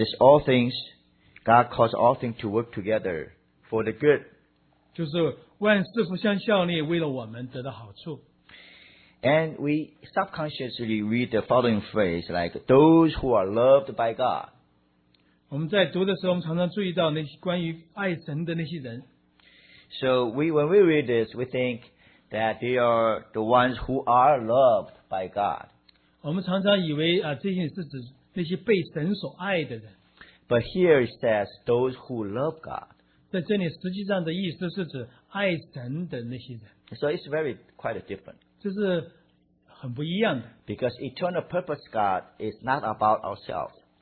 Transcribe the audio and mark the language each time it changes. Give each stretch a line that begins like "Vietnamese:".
English: is all things, God caused all things to work together for the good.
Chinese: 就是万事互相效力，为了我们得到好处。
English: And we subconsciously read the following phrase, like those who are loved by God.
Chinese: 我们在读的时候，我们常常注意到那些关于爱神的那些人。
English: So when we read this, we think that they are the ones who are loved by God.
Chinese: 我们常常以为这些是指那些被神所爱的人。
English: But here it says those who love God.
Chinese: 在这里实际上的意思是指爱神的那些人。
English: So it's very quite different.
Chinese: 很不一样的,
English: because eternal purpose God is not about ourselves.